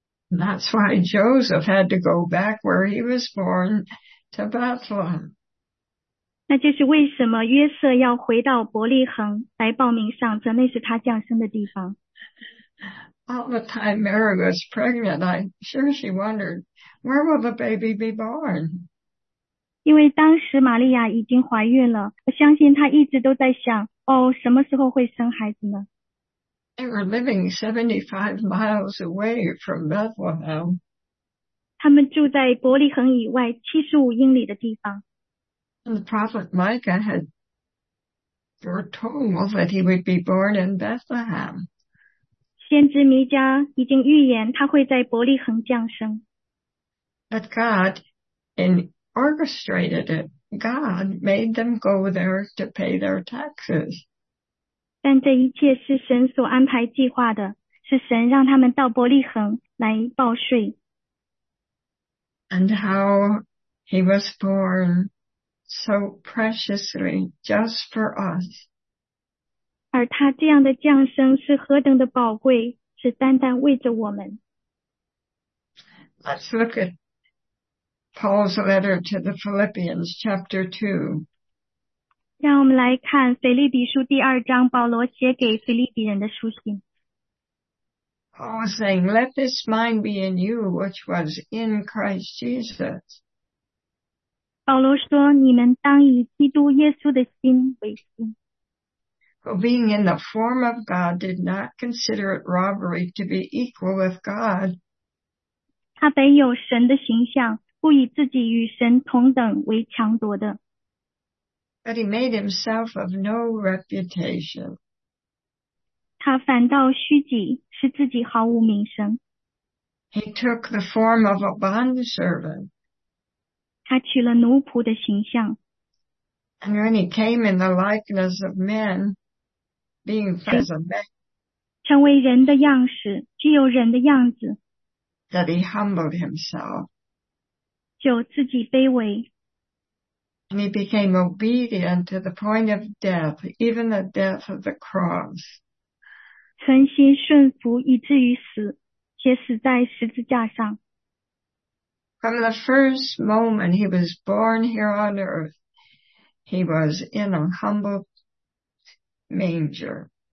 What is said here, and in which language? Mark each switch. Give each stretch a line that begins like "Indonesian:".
English: That's why Joseph had to go back where he was born to Bethlehem.
Chinese: 那就是为什么约瑟要回到伯利恒来报名上册，那是他降生的地方。
English: All the time Mary was pregnant, I'm sure she wondered, where will the baby be born?
Chinese: 因为当时玛利亚已经怀孕了，我相信她一直都在想，哦，什么时候会生孩子呢？
English: They were living 75 miles away from Bethlehem.
Chinese: 他们住在伯利恒以外75英里的地方。
English: And the prophet Micah had foretold that he would be born in Bethlehem.
Chinese: 先知弥迦已经预言他会在伯利恒降生。
English: But God in orchestrated it. God made them go there to pay their taxes.
Chinese: 但这一切是神所安排计划的，是神让他们到伯利恒来报税。
English: And how he was born so preciously just for us.
Chinese: 而他这样的降生是何等的宝贵，是单单为着我们。
English: Let's look at Paul's letter to the Philippians, chapter 2.
Chinese: 让我们来看腓立比书第二章，保罗写给腓立比人的书信。
English: Paul was saying, let this mind be in you, which was in Christ Jesus.
Chinese: 保罗说，你们当以基督耶稣的心为心。
English: Who being in the form of God did not consider it robbery to be equal with God.
Chinese: 他本有神的形象，不以自己与神同等为强夺的。
English: But he made himself of no reputation.
Chinese: 他反倒虚己，使自己毫无名声。
English: He took the form of a bondservant.
Chinese: 他取了奴仆的形象。
English: And when he came in the likeness of men, being as a man,
Chinese: 成为人的样式，具有人的样子。
English: That he humbled himself.
Chinese: 就自己卑微。
English: And he became obedient to the point of death, even the death of the cross.
Chinese: 存心顺服以至于死，且死在十字架上。
English: From the first moment he was born here on earth, he was in a humble manger.